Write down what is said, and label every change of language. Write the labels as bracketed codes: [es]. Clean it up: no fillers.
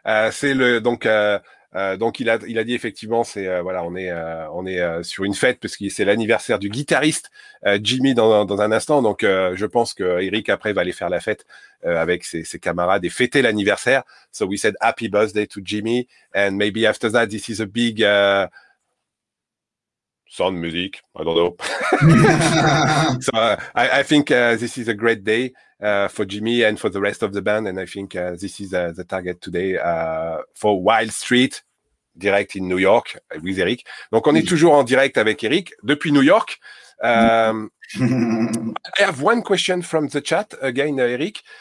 [fr] C'est le donc il a dit effectivement c'est voilà on est sur une fête parce que c'est l'anniversaire du guitariste Jimmy dans un instant donc je pense que Eric après va aller faire la fête avec ses camarades et fêter l'anniversaire. [en] So we said happy birthday to Jimmy and maybe after that this is a big sound music. I don't know. So I think this is a great day for Jimmy and for the rest of the band. And I think this is the target today for Wild Street, direct in New York with Eric. [fr] Donc, on est toujours en direct avec Eric depuis New York. [en] I have one question from the chat again, Eric.